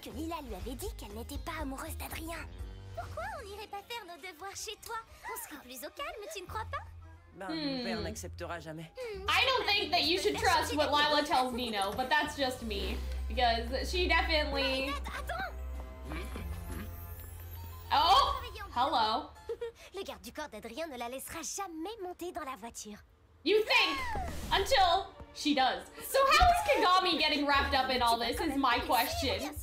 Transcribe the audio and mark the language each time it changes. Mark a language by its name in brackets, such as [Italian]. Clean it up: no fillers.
[French] Dit que Lila lui avait dit qu'elle n'était pas amoureuse d'Adrien. Pourquoi on n'irait pas faire nos devoirs chez toi? On serait plus au calme, tu ne crois pas? Ben, mon père n'acceptera jamais. [English] I don't think that you should trust what Lila tells Nino, but that's just me. Because she definitely... Oh! Hello. [French] Le garde du corps d'Adrien ne la laissera jamais monter dans la voiture. [English] You think! Until she does. So how is Kagami getting wrapped up in all this is my question.